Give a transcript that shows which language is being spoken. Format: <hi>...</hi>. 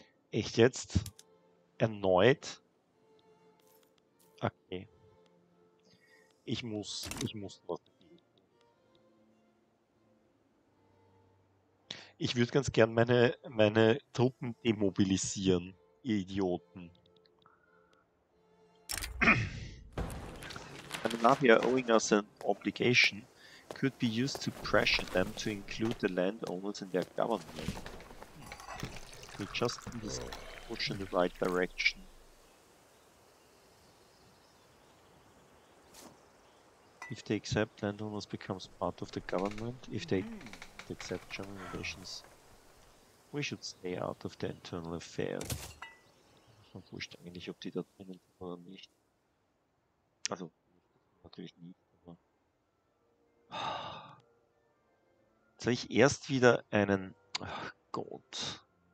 <de>Echt jetzt? Erneut? Okay. Ich muss was geben. Ich würde ganz gern meine Truppen demobilisieren, ihr Idioten.</de> <en>The Mafia owing us an obligation could be used to pressure them to include the landowners in their government. We just need to push in the right direction. If they accept, landowners becomes part of the government. If they accept German relations, we should stay out of the internal affairs.</en> <de>Man wusste eigentlich, ob die da drinnen sind oder nicht. Also. Natürlich nicht, aber. Soll ich erst wieder einen. Ach Gott.</de>